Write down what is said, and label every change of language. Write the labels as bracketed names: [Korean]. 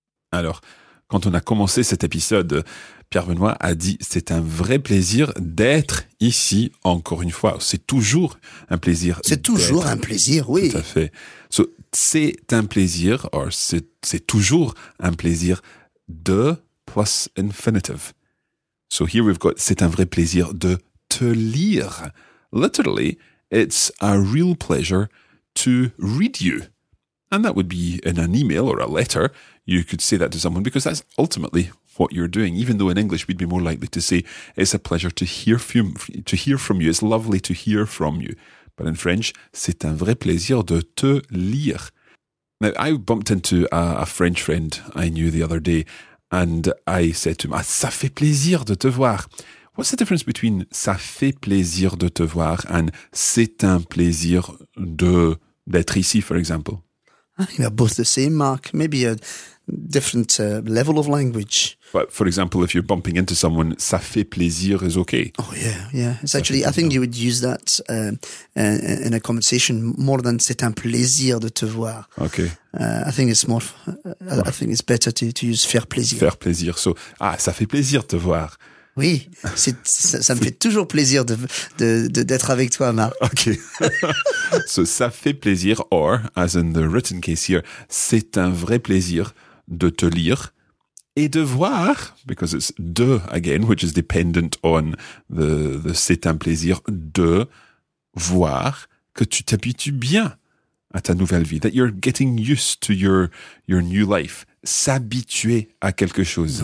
[French] Alors, quand on a commencé cet épisode, Pierre-Benoît a dit « c'est un vrai plaisir d'être ici encore une fois ». C'est toujours un plaisir. C'est toujours un plaisir, oui. Tout à fait. [English] So, [French] c'est un plaisir, or c'est toujours un plaisir de [English] plus infinitive. So here we've got [French] « c'est un vrai plaisir de te lire ». [English] Literally, it's a real pleasure to read you. And that would be in an email or a letter. You could say that to someone because that's ultimately what you're doing. Even though in English we'd be more likely to say, it's a pleasure to hear from you. It's lovely to hear from you. But in French, [French] c'est un vrai plaisir de te lire. [English] Now, I bumped into a French friend I knew the other day and I said to him, [French] ah, ça fait plaisir de te voir. [English] What's the difference between [French] ça fait plaisir de te voir and c'est un plaisir d'être ici, [English] for example? I think they're both the same, Mark. Maybe a different level of language. But for example, if you're bumping into someone, [French] ça fait plaisir [English] is okay. Oh, yeah, yeah. It's actually, I think you would use that in a conversation more than [French] c'est un plaisir de te voir. [English] Okay. I think it's better to use faire plaisir. [French] Faire plaisir. [English] So, [French] ah, ça fait plaisir de te voir. Oui, ça me fait toujours plaisir d'être avec toi, Marc. [English] Ok. So, [French] ça fait plaisir, [English] or, as in the written case here, [French] c'est un vrai plaisir de te lire et de voir, [English] because it's [French] de [English] again, which is dependent on the [French] c'est un plaisir de voir que tu t'habitues bien à ta nouvelle vie, [English] that you're getting used to your new life, [French] s'habituer à quelque chose.